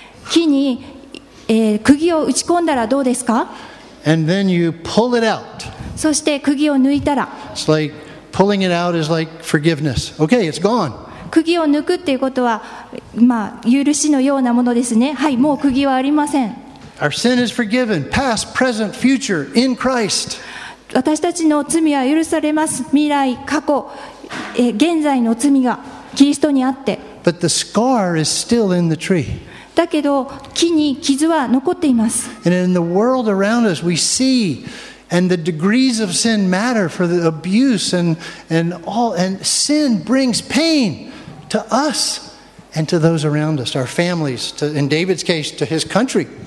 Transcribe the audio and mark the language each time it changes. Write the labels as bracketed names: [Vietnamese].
[Japanese] 木に、釘を打ち込んだらどうですか? [English] And then you pull it out. [Japanese] そして釘を抜いたら。 [English] It's like pulling it out is like forgiveness. Okay, it's gone. [Japanese] 釘を抜くっていうことは、まあ、許しのようなものですね。はい、もう釘はありません。 [English] Our sin is forgiven, past, present, future, in Christ. [Japanese] 私たちの罪は許されます。未来、過去、現在の罪がキリストにあって。 [English] But the scar is still in the tree. [Japanese] だけど、木に傷は残っています。 [English] And in the world around us, we see, and the degrees of sin matter for the abuse and all, and sin brings pain. To us and to those around us, our families, to, in David's case, to his country.